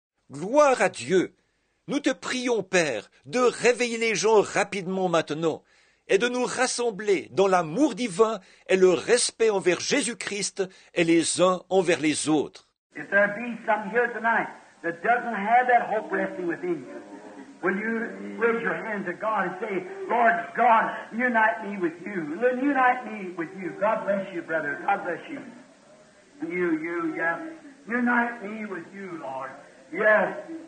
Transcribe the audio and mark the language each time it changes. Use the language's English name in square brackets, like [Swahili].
[French] Gloire à Dieu! Nous te prions, Père, de réveiller les gens rapidement maintenant et de nous rassembler dans l'amour divin et le respect envers Jésus-Christ et les uns envers les autres. [English] If there be some here tonight that doesn't have that hope resting within you, will you raise your hand to God and say, Lord God, unite me with you. Unite me with you. God bless you, brother. God bless you. You, yes. Unite me with you, Lord. Yes.